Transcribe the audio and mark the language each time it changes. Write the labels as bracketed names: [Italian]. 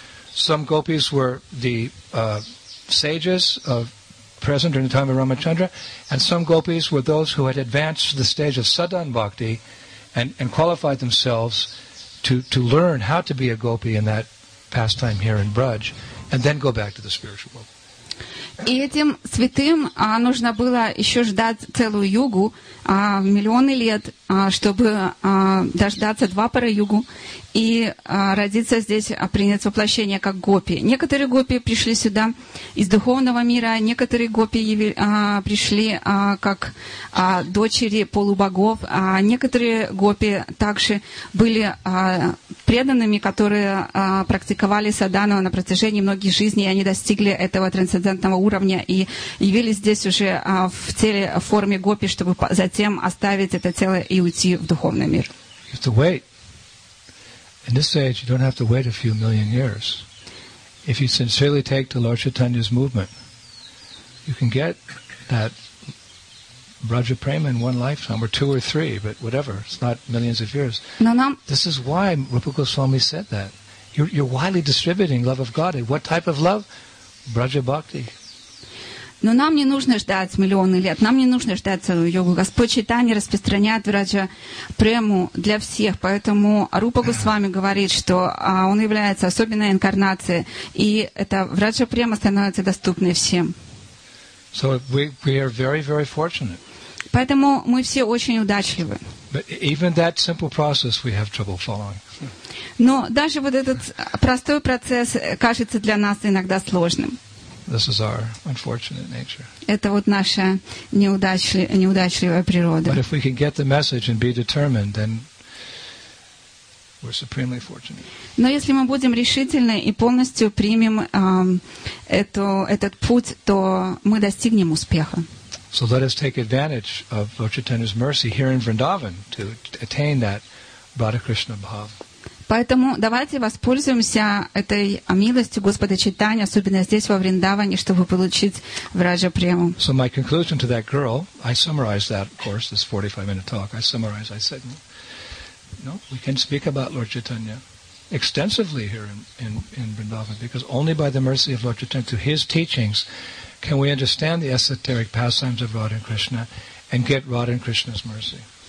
[English] Some gopis were the sages of present during the time of Ramachandra, and some gopis were those who had advanced to the stage of sadhan bhakti and qualified themselves to learn how to be a gopi in that pastime here in Braj, and then go back to the spiritual world. [Russian] И этим святым нужно было еще ждать целую югу, миллионы лет, чтобы дождаться Двапара Югу и родиться здесь, принять воплощение как гопи. Некоторые гопи пришли сюда из духовного мира, некоторые гопи пришли как дочери полубогов, а некоторые гопи также были преданными, которые практиковали садхану на протяжении многих жизней, и они достигли этого трансцендентного уровня и явились здесь уже в теле, в форме гопи, чтобы затем оставить это тело и уйти в духовный мир. [English] You have to wait. In this age, you don't have to wait a few million years. If you sincerely take to Lord Chaitanya's movement, you can get that Raja Prema in one lifetime, or two or three, but whatever. It's not millions of years. No. This is why Rupa Goswami said that. You're widely distributing love of God. What type of love? Raja Bhakti. [Russian] Но нам не нужно ждать миллионы лет, нам не нужно ждать целую йогу. Господь Чайтанья распространяет Враджа Прему для всех, поэтому Рупа Госвами говорит, что он является особенной инкарнацией, и это Враджа Према становится доступной всем. [English] So we are very, very fortunate. [Russian] Поэтому мы все очень удачливы. [English] But even that simple process we have trouble following. [Russian] Но даже вот этот простой процесс кажется для нас иногда сложным. [English] This is our unfortunate nature. [Russian] Это вот наша неудачливая природа. [English] But if we can get the message and be determined, then we're supremely fortunate. [Russian] Но если мы будем решительны и полностью примем этот путь, то мы достигнем успеха. [English] So let us take advantage of Lord Chaitanya's mercy here in Vrindavan to attain that Radha Krishna Bhava. [Russian] Поэтому давайте воспользуемся этой милостью Господа Чайтаньи, особенно здесь, во Вриндаване, чтобы получить Враджа Прему. [English] So my conclusion to that girl, I summarized that, of course, this 45-minute talk, I summarized, I said, no, we can speak about Lord Chaitanya extensively here in Vrindavan, because only by the mercy of Lord Chaitanya, through his teachings, can we understand the esoteric pastimes of Radha and Krishna and get Radha and Krishna's mercy.